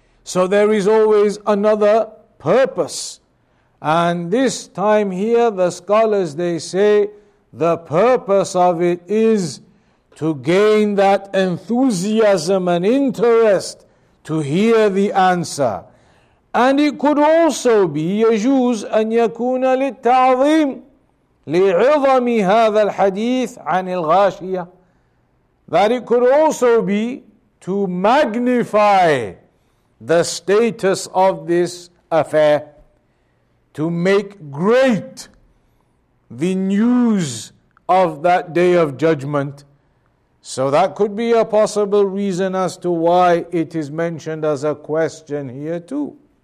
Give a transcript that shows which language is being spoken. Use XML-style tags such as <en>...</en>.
<en>So there is always another purpose. And this time here, the scholars, they say, the purpose of it is to gain that enthusiasm and interest to hear the answer. And it could also be</en> <ar>يجوز أن يكون للتعظيم لعظم هذا الحديث عن الغاشية.</ar> <en>That it could also be to magnify the status of this affair, to make great the news of that day of judgment. So that could be a possible reason as to why it is mentioned as a question here too.</en>